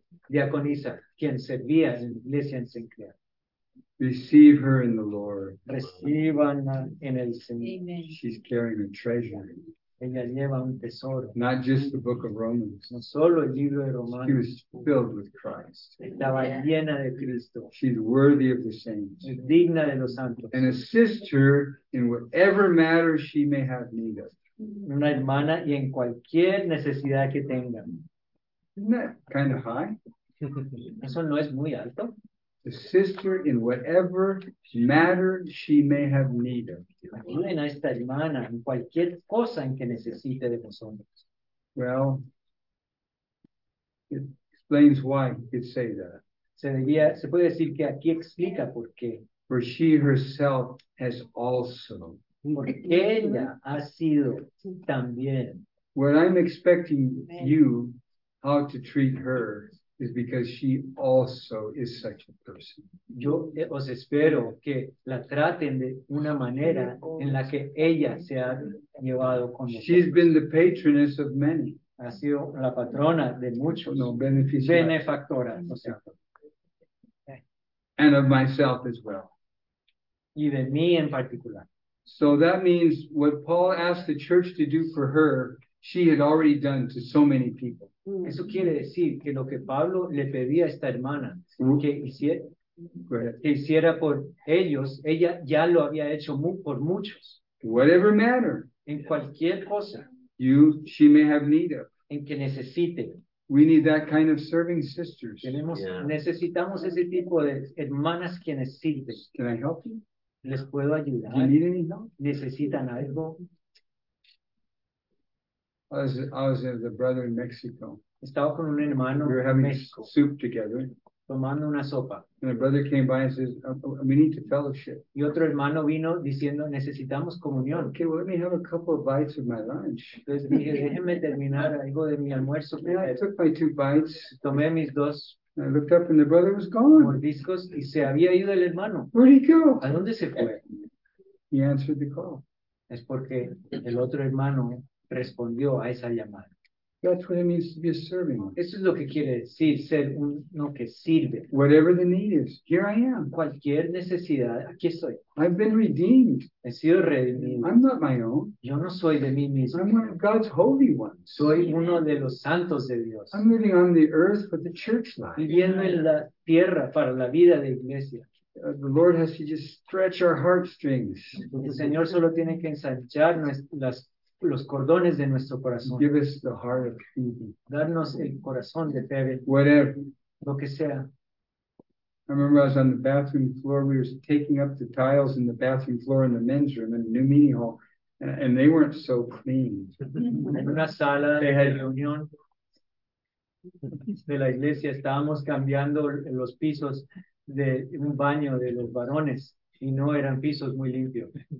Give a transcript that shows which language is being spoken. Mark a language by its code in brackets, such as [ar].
[es] Diaconisa, quien servía en la iglesia en Sinclair. [en] Receive her in the Lord. [es] Reciban en el Señor. [en] Amen. She's carrying a treasure. [es] Ella lleva un tesoro. [en] Not just the book of Romans. [es] No solo el libro de Romanos. [en] She was filled with Christ. [es] Estaba llena de Cristo. [en] She's worthy of the saints. [es] Es digna de los santos. [en] And assist her in whatever matter she may have need of. [es] Una hermana y en cualquier necesidad que tenga. [en] Isn't that kind of high? [es] Eso no es muy alto. [en] Assist her in whatever matter she may have need of. [es] Ayuden a esta hermana en cualquier cosa en que necesite de vosotros. [en] Well, it explains why he could say that. [es] Se puede decir que aquí explica por qué. [en] For she herself has also. [es] Porque ella ha sido también. [en] What I'm expecting you how to treat her is because she also is such a person. [es] Yo os espero que la traten de una manera en la que ella se ha llevado con nosotros. [en] She's been the patroness of many. [es] Ha sido la patrona de muchos. No, beneficiaria. Benefactora, o sea. [en] And of myself as well. [es] Y de mí en particular. [en] So that means what Paul asked the church to do for her, she had already done to so many people. [es] Eso quiere decir que lo que Pablo le pedía a esta hermana que hiciera por ellos, ella ya lo había hecho por muchos. [en] Whatever matter. [es] En cualquier cosa. [en] She may have need of. [es] En que necesite. [en] We need that kind of serving sisters. [es] Necesitamos ese tipo de hermanas que sirven. [en] Can I help you? [es] ¿Les puedo ayudar? [en] Do you need any help? [es] ¿Necesitan algo? [en] I was with a brother in Mexico. [es] Estaba con un hermano. [en] We were having Mexico. Soup together. [es] Tomando una sopa. [en] And a brother came by and says, "We need to fellowship." [es] Y otro hermano vino diciendo, "Necesitamos comunión." [en] Okay, well, let me have a couple of bites of my lunch. [es] Entonces dije, déjeme terminar algo de mi almuerzo. [en] Yeah, I took my two bites. [es] Tomé mis dos. [en] I looked up and the brother was gone. [es] Mordiscos y se había ido el hermano. [en] Where'd he go? [es] ¿A dónde se fue? [en] He answered the call. [es] Es porque el otro hermano respondió a esa llamada. [en] That's what it means to be a serving. [es] Eso es lo que quiere decir, ser uno que sirve. [en] Whatever the need is, here I am. [es] Cualquier necesidad, aquí estoy. [en] I've been redeemed. [es] He sido redimido. [en] I'm not my own. [es] Yo no soy de mí mismo. [en] I'm one of God's holy ones. [es] Soy uno de los santos de Dios. [en] I'm living on the earth for the church life. [es] Viviendo en la tierra para la vida de iglesia. [en] The Lord has to just stretch our heartstrings. [es] El Señor solo tiene que ensanchar las los cordones de nuestro corazón. [en] Give us the heart of Phoebe. [es] Darnos el corazón de Phoebe. [en] Whatever. [es] Lo que sea. [en] I remember I was on the bathroom floor. We were taking up the tiles in the bathroom floor in the men's room in the new meeting hall. And they weren't so clean. [es] En una sala de reunión de la iglesia estábamos cambiando los pisos de un baño de los varones. Y no eran pisos muy limpios.